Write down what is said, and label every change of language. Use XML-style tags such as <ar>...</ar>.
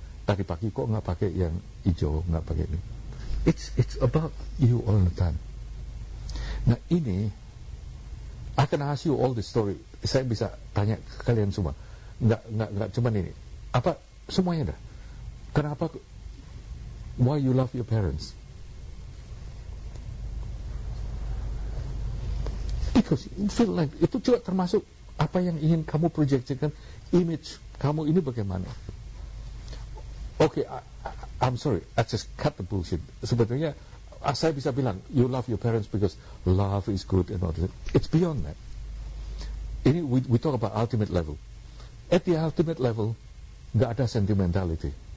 <id>Tadi pagi kok nggak pakai yang hijau, nggak pakai ini?</id> <en>It's about you all the time.</en> <id>Nah ini,</id> <en>I can ask you all the story.</en> <id>Saya bisa tanya ke kalian semua. Nggak cuma ini. Apa semuanya dah? Kenapa?</id> <en>Why you love your parents? Because you feel like</en> <id>itu juga termasuk apa yang ingin kamu projectikan image kamu ini bagaimana?</id> <en>Okay, I'm sorry, I just cut the bullshit.</en> <id>Sebetulnya saya bisa bilang</id> <en>you love your parents because love is good and all that. It's beyond that.</en> <id>Ini</id> <en>we talk about ultimate level. At the ultimate level,</en> <id>nggak ada</id> <en>sentimentality.</en>